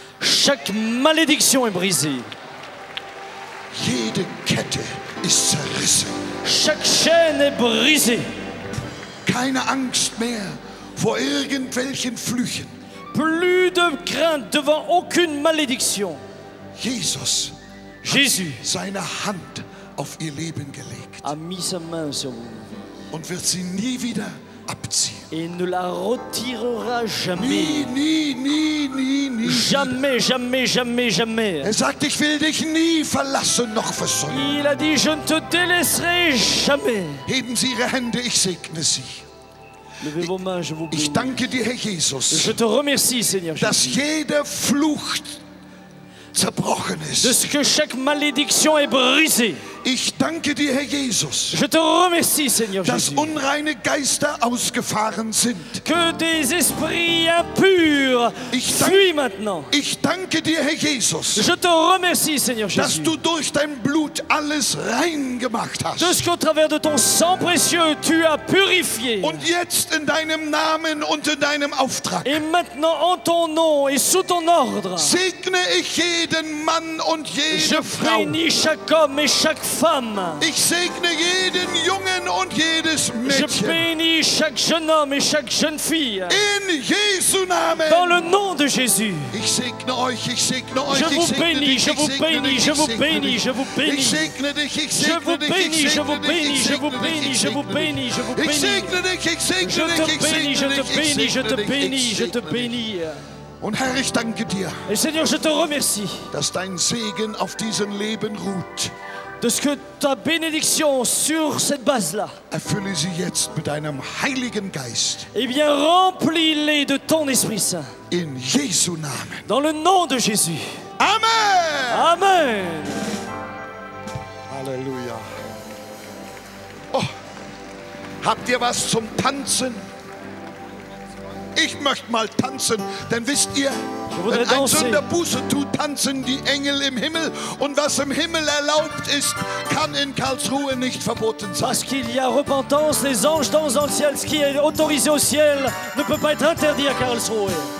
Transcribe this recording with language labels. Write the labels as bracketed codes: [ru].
[fr] Chaque malédiction est brisée. [de] Jede Kette ist zerrissen. [fr] Chaque chaîne est brisée. [de] Keine Angst mehr vor irgendwelchen Flüchen. [fr] Plus de crainte devant aucune malédiction. [de] Jesus, [fr] Jésus, [de] seine Hand auf ihr Leben gelegt. [fr] A mis sa main sur vous. [de] Und wird sie nie wieder abziehen. [fr] Et ne la retirera jamais. [de] Nie, nie, nie, nie, nie. [fr] Jamais, jamais, jamais, jamais. [de] Er sagt, ich will dich nie verlassen noch versäumen. [fr] Il a dit, je ne te délaisserai jamais. [de] Heben Sie Ihre Hände, ich segne Sie. [fr] Levez vos mains, je vous bénis. [de] Ich danke dir, Herr Jesus, [fr] je te remercie, Seigneur Jésus, [de] dass jeder Fluch zerbrochen ist. [fr] De ce que chaque malédiction est brisée. [de] Ich danke dir, Herr Jesus, [fr] je te remercie, Seigneur Jésus, [de] dass unreine Geister ausgefahren sind. [fr] Que des esprits impurs fuient maintenant. [de] Ich danke dir, Herr Jesus, [fr] je te remercie, Seigneur Jésus, [de] dass du durch dein Blut alles rein gemacht hast. [fr] De ce qu'au travers de ton sang précieux, tu as purifié. [de] Und jetzt in deinem Namen und in deinem Auftrag. [fr] Et maintenant en ton nom et sous ton ordre. [de] Segne ich jeden Mann und jede Frau. [fr] Je bénis chaque homme et chaque femme. [de] Ich segne jeden Jungen und jedes Mädchen. [fr] Je bénis chaque jeune homme et chaque jeune fille. [de] In Jesu Namen. [fr] Dans le nom de Jésus. [de] Ich segne euch, ich segne euch, [fr] je vous bénis, je vous bénis, je vous bénis, je vous bénis. [de] Ich segne dich, ich segne dich, [fr] je vous bénis, je vous bénis, je vous bénis, je vous bénis, je vous bénis. [de] Ich segne dich, ich segne dich, [fr] je te bénis, je te bénis, je te bénis, je te bénis. [de] Und Herr, ich danke dir. [fr] Et Seigneur, je te remercie. [de] Dass dein Segen auf diesem Leben ruht. [fr] De ce que ta bénédiction sur cette base-là. [de] Erfülle sie jetzt mit deinem Heiligen Geist. [fr] Eh bien, remplis-les de ton Esprit Saint. [de] In Jesu Namen. [fr] Dans le nom de Jésus. [de] Amen. [fr] Amen. [de] Halleluja. Oh, habt ihr was zum Tanzen? Ich möchte mal tanzen, denn wisst ihr, wenn ein Sünder Buße tut, tanzen die Engel im Himmel. Und was im Himmel erlaubt ist, kann in Karlsruhe nicht verboten sein. [fr] Parce qu'il y a repentance, les anges dansent dans le ciel. Ce qui est autorisé au ciel ne peut pas être interdit à Karlsruhe.